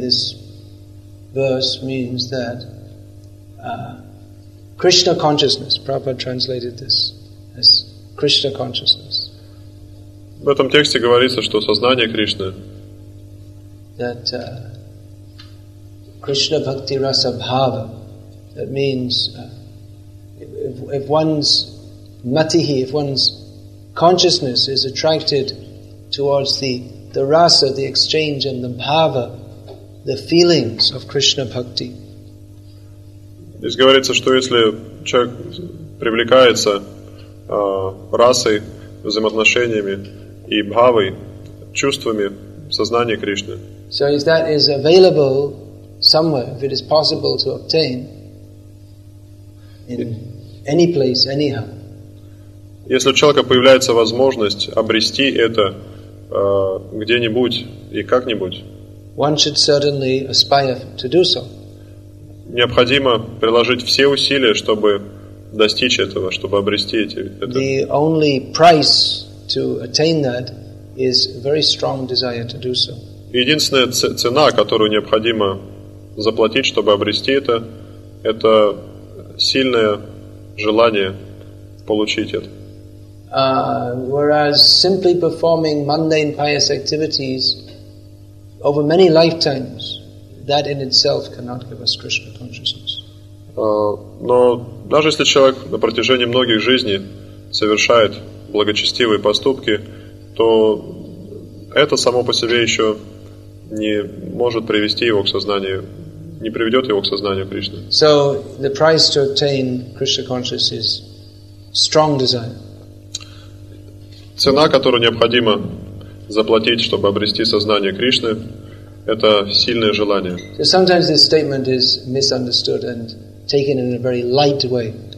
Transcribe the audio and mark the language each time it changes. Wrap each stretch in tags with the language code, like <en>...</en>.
<en>This verse means that Krishna consciousness, Prabhupada translated this as Krishna consciousness.</en> <ru>В этом тексте говорится, что сознание Кришны,</ru> <en>that Krishna bhakti rasa bhava, that means if one's matihi, if one's consciousness is attracted towards the rasa, the exchange, and the bhava, the feelings of Krishna bhakti.</en> <ru>Здесь говорится, что если человек привлекается расой, взаимоотношениями и бхавой, чувствами сознания Кришны.</ru> <en>So if that is available somewhere, if it is possible to obtain in any place, anyhow.</en> <ru>Если у человека появляется возможность обрести это где-нибудь и как-нибудь,</ru> <en>one should certainly aspire to do so.</en> <ru>Необходимо приложить все усилия, чтобы достичь этого, чтобы обрести это.</ru> <en>The only price to attain that is very strong desire to do so.</en> <ru>Единственная цена, которую необходимо заплатить, чтобы обрести это сильное желание получить это.</ru> <en>Whereas simply performing mundane pious activities over many lifetimes, that in itself cannot give us Krishna consciousness.</en> <ru>Но даже если человек на протяжении многих жизней совершает благочестивые поступки, то это само по себе еще не может привести его к сознанию, не приведет его к сознанию Кришны.</ru> <en>So the price to obtain Krishna consciousness is strong desire.</en> <ru>Цена, которую необходимо заплатить, чтобы обрести сознание Кришны, это сильное желание.</ru> <en>So sometimes this statement is misunderstood and taken in a very light way.</en>